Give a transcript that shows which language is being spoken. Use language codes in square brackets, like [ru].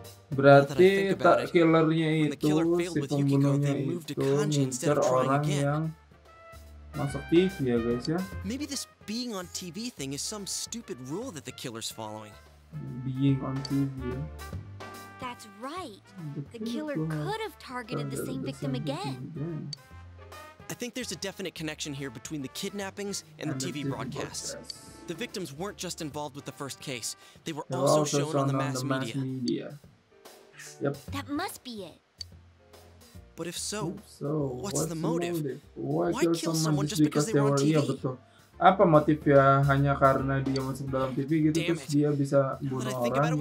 [id] Berarti killernya itu, si pembunuhnya itu, ngincer orang yang masuk TV ya guys ya. [en] Maybe this being on TV thing is some stupid rule that the killer's following. Being on TV. That's right. The killer could have targeted the same victim again. I think there's a definite connection here between the kidnappings and the TV broadcasts. The victims weren't just involved with the first case. They were also shown on the mass media. Yep. That must be it. But if so, what's the motive? Why kill someone just because they were on TV? [id] Betul. Apa motifnya hanya karena dia masuk dalam TV gitu Damn terus it. Dia bisa bunuh orang gitu.